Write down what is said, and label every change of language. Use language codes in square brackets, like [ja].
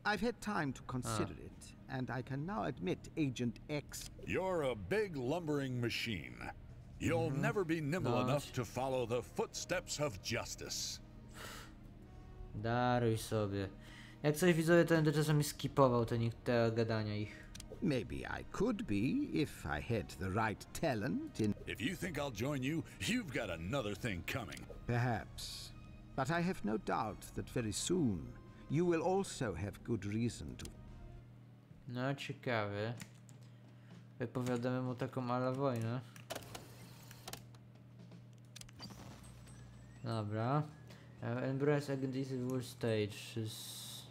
[en] I've had time to consider it, and I can now admit Agent X. You're a big lumbering machine. You'll never be nimble enough to follow the footsteps of justice. [pl] Daruj sobie. Jak coś widzę, to będę czasami skipował te gadania ich. [en] Maybe I could be, if I had the right talent in... If you think I'll join you, you've got another thing coming. Perhaps. But I have no doubt that very soon, you will also have good reason to... [pl] No, ciekawe. Wypowiadamy mu taką ala wojnę. Dobra. [en] Embrace against this war stage is...